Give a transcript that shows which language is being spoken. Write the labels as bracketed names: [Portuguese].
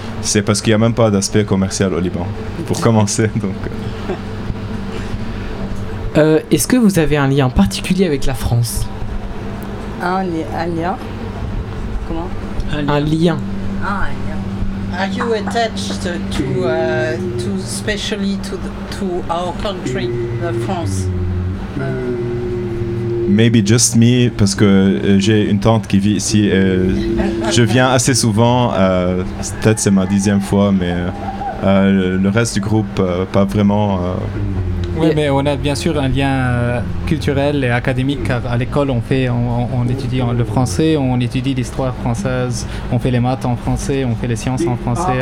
[French] C'est parce qu'il n'y a même pas d'aspect commercial au Liban pour commencer, donc. Est-ce que vous avez un lien particulier avec la France? Un lien? Comment? Un lien. [English] Are you attached to especially to our country, the France? Maybe just me, [French] parce que j'ai une tante qui vit ici. Et je viens assez souvent. Peut-être c'est ma 10e fois, mais le reste du groupe, pas vraiment. Oui, mais on a bien sûr un lien culturel et académique, car à l'école, on étudie le français, on étudie l'histoire française, on fait les maths en français, on fait les sciences en français.